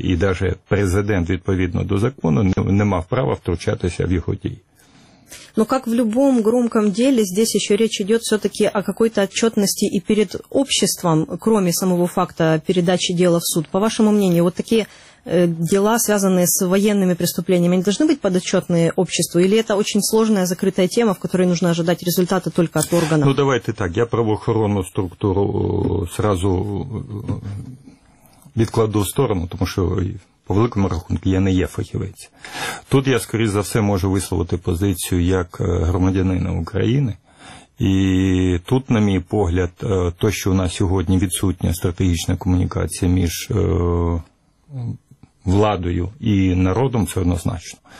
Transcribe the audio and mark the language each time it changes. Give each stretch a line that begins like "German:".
Ukrainian: І навіть президент, відповідно до закону, не мав права втручатися в його дії.
Russian: Но как в любом громком деле, здесь еще речь идет все-таки о какой-то отчетности и перед обществом, кроме самого факта передачи дела в суд. По вашему мнению, вот такие дела, связанные с военными преступлениями, они должны быть подотчетны обществу? Или это очень сложная, закрытая тема, в которой нужно ожидать результаты только от органа? Ну давайте так, я правоохранную структуру сразу відкладу в сторону, потому что...
Ukrainian: По великому рахунку, я не є фахівець. Тут я, скоріш за все, можу висловити позицію як громадянина України. І тут, на мій погляд, то, що у нас сьогодні відсутня стратегічна комунікація між владою і народом, це однозначно.